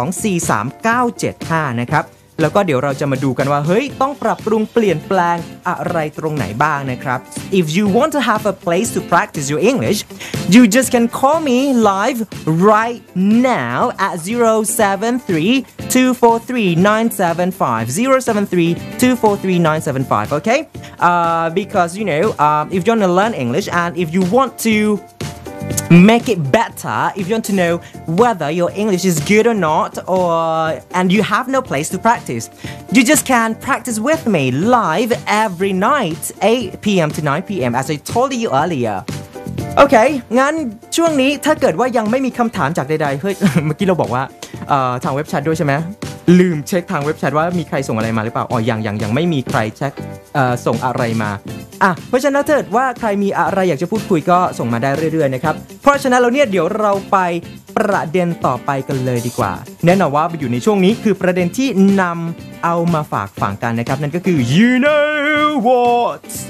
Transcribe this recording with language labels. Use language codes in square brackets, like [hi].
[en] 0732439975 [th] นะครับแล้วก็เดี๋ยวเราจะมาดูกันว่าเฮ้ยต้องปรับปรุงเปลี่ยนแปลงอะไรตรงไหนบ้างนะครับ [en] If you want to have a place to practice your English you just can call me live right now at 073-243-975 073-243-975 okay because you know if you want to learn English and if you want toMake it better if you want to know whether your English is good or not, or and you have no place to practice. You just can practice with me live every night, 8 p.m. to 9 p.m. as I told you earlier. [th] Okay, งั้นช่วงนี้ถ้าเกิดว่ายังไม่มีคำถามจากใดๆเฮ้ยเมื่อกี้เราบอกว่าทางเว็บแชทด้วยใช่ไหมลืมเช็คทางเว็บแชทว่ามีใครส่งอะไรมาหรือเปล่าอ๋อยังไม่มีใครเช็คส่งอะไรมาอ่ะเพราะฉะนั้นถ้าเกิดว่าใครมีอะไรอยากจะพูดคุยก็ส่งมาได้เรื่อยๆนะครับเพราะฉะนั้นเราเนี่ยเดี๋ยวเราไปประเด็นต่อไปกันเลยดีกว่าแน่นอนว่าไปอยู่ในช่วงนี้คือประเด็นที่นำเอามาฝากฝังกันนะครับนั่นก็คือ [en] You know what